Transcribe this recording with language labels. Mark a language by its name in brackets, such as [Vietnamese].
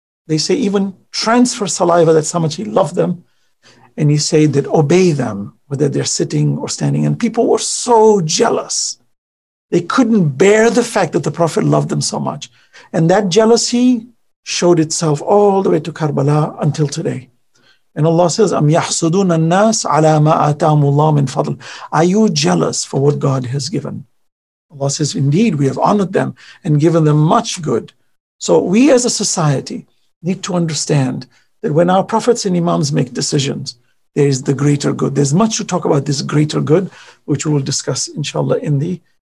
[English] They say even transfer saliva, that's how much he loved them. And he said that obey them, whether they're sitting or standing. And people were so jealous. They couldn't bear the fact that the Prophet loved them so much. And that jealousy showed itself all the way to Karbala until today. And Allah says, [Arabic] أَمْ يَحْسُدُونَ النَّاسَ عَلَىٰ مَا آتَاهُمُ اللَّهُ مِنْ فَضْلٍ. [English] Are you jealous for what God has given? Allah says, indeed, we have honored them and given them much good. So we as a society need to understand that when our prophets and imams make decisions, there is the greater good. There's much to talk about this greater good, which we will discuss, inshallah, in the...